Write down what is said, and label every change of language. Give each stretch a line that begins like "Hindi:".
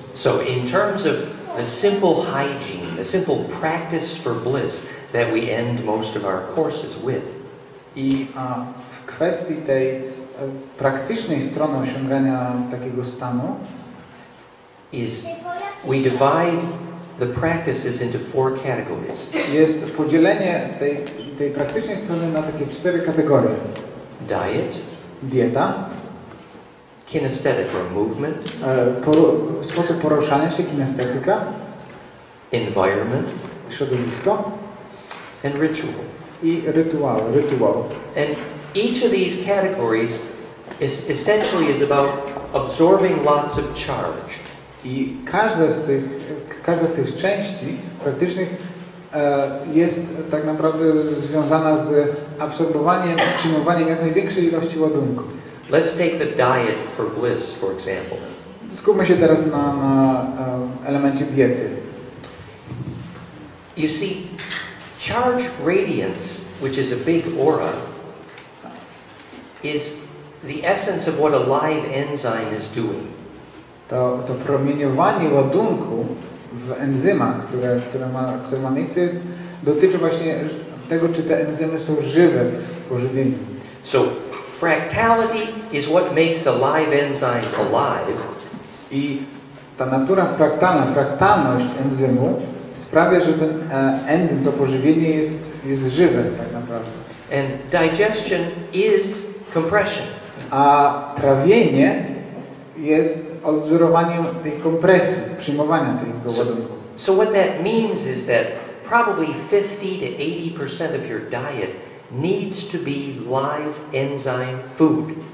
English: So in terms of the simple hygiene, the simple practice for bliss that we end most of our courses with.
Polish: I w kwestii tej praktycznej strony osiągania takiego stanu
English: is we divide the practices into four categories.
Polish: Jest podzielenie tej praktycznej strony na takie cztery kategorie.
English: Diet.
Polish: Dieta.
English: Kinesthetic or movement.
Polish: Sposób poruszania się, kinestetyka.
English: Environment.
Polish: Środowisko.
English: And ritual.
Polish: I rytuał.
English: And each of these categories is essentially is about absorbing lots of charge.
Polish: I każda z tych części praktycznych jest tak naprawdę związana z absorbowaniem, przyjmowaniem jak największej ilości ładunku.
English: Let's take the diet for bliss, for example.
Polish: Skupmy się teraz na elemencie diety.
English: You see, charge radiance, which is a big aura, is the essence of what a live enzyme is doing.
Polish: To promieniowanie ładunku w enzymach, które ma miejsce, jest, dotyczy właśnie tego, czy te enzymy są żywe w pożywieniu.
English: So, fractality is what makes a live enzyme alive.
Polish: I ta natura fraktalna, fraktalność enzymu sprawia, że ten enzym, to pożywienie jest żywe tak naprawdę.
English: And digestion is compression.
Polish: A trawienie jest odwzorowaniu tej kompresji, przyjmowania tego ładunku.
English: So what that means is that probably 50 to 80% of your diet needs to be live enzyme food.